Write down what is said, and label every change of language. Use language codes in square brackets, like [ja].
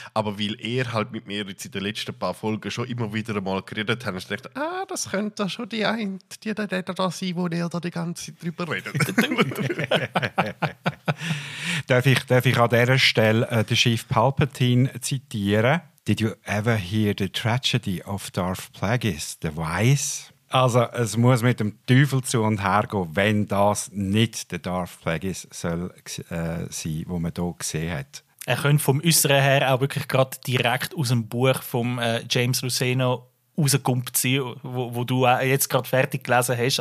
[de] Aber weil er halt mit mir jetzt in den letzten paar Folgen schon immer wieder mal geredet hat, habe ich gedacht, ah, das könnte da schon die eine, die da sein, wo er da die ganze Zeit drüber redet. Darf ich an dieser Stelle den Chief Palpatine zitieren? [en] Did you ever hear the tragedy of Darth Plagueis, the Wise? [de] Also, es muss mit dem Teufel zu und her gehen, wenn das nicht der Darth Plagueis soll sein, den man hier gesehen hat. Er könnte vom Äußeren her auch wirklich gerade direkt aus dem Buch von James Luceno rausgekumpt sind, wo du jetzt gerade fertig gelesen hast.